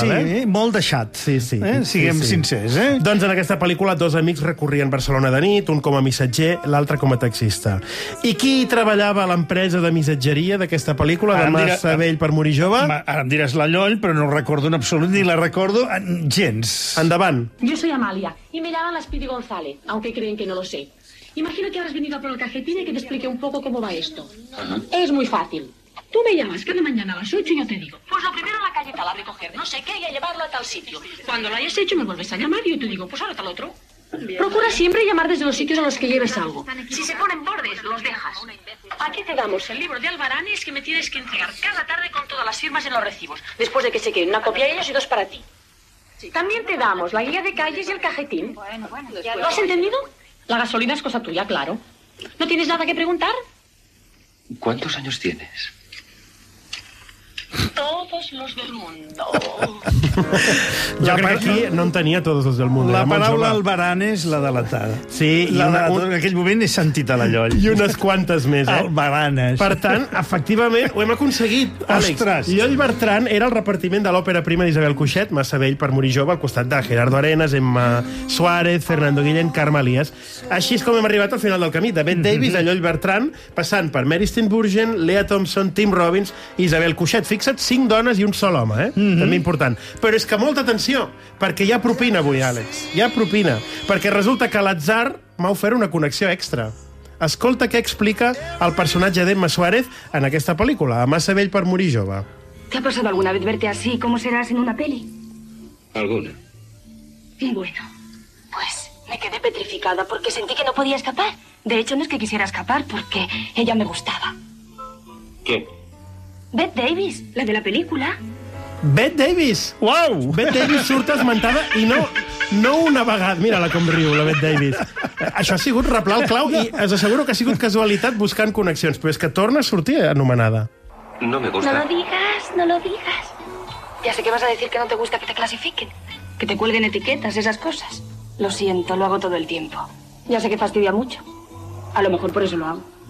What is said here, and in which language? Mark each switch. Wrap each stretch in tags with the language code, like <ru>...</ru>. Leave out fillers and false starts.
<ca>Sí, eh? Molt deixat. Sí, sí. Siguem sincers, eh? Doncs en aquesta pel·lícula dos amics recorrien Barcelona de nit, un com a missatger, l'altre com a taxista. I qui treballava a l'empresa de missatgeria d'aquesta pel·lícula, de Massavell per morir jove? Ara em diràs la Llol, però no recordo en absolut, ni la recordo gens. Endavant.</ca> <es>Yo soy Amalia, y me llaman la Speedy González, aunque creen que no lo sé. Imagino que habrás venido por el cafetín y que te explique un poco cómo va esto. Uh-huh. Es muy fácil. Tú me llamas cada mañana a las 8 y yo te digo, pues lo primero en la calle tal, a recoger no sé qué y a llevarlo a tal sitio. Cuando lo hayas hecho, me vuelves a llamar y yo te digo, pues ahora tal otro. Procura siempre llamar desde los sitios a los que lleves algo. Si se ponen bordes, los dejas. Aquí te damos el libro de albaranes que me tienes que entregar cada tarde con todas las firmas en los recibos, después de que se queden una copia de ellos y dos para ti. También te damos la guía de calles y el cajetín. ¿Lo has entendido? La gasolina es cosa tuya, claro. ¿No tienes nada que preguntar? ¿Cuántos años tienes? Todos los del mundo.</es> <ca>Jo crec que aquí no en tenia</ca> <es>Todos los del mundo.</es> <ca>La paraula albarán és la delatada. Sí, la en aquell moment he sentit a la Llol. I unes quantes més, eh? Albaranes. Per tant, efectivament, ho hem aconseguit, Àlex. Ostres. Llol Bertran era el repartiment de l'òpera prima d'Isabel Cuixet, Massavell per morir jove, al costat de Gerardo Arenas, Emma Suárez, Fernando Guillén, Carme Elías. Així és com hem arribat al final del camí. De Bette Davis a Llol Bertran, passant per Mary Steenburgen, Lea Thompson, Tim Robbins, Isabel Cuixet. Fixa't, 5 dones i un sol home, eh? Mm-hmm. També important. Però és que molta atenció, perquè hi ha propina avui, Àlex. Hi ha propina. Perquè resulta que l'atzar m'ha ofert una connexió extra. Escolta què explica el personatge d'Emma Suárez en aquesta pel·lícula, A Massavell per morir jove.</ca> <es>¿Te ha pasado alguna vez verte así? ¿Cómo serás en una peli? Alguna. Bueno, pues me quedé petrificada porque sentí que no podía escapar. De hecho, no es que quisiera escapar, porque ella me gustaba. ¿Qué? Bette Davis, la de la</es> <ca>pel·lícula. Bette Davis! Uau! Bette Davis surt esmentada i no una vegada. Mira-la com riu, la Bette Davis. Això ha sigut replar el clau i us asseguro que ha sigut casualitat buscant connexions, però és que torna a sortir anomenada.</ca> <es>No me gusta. No lo digas, no lo digas. Ya sé que vas a decir que no te gusta que te clasifiquen, que te cuelguen etiquetas, esas cosas. Lo siento, lo hago todo el tiempo. Ya sé que fastidia mucho. A lo mejor por eso lo hago.</es>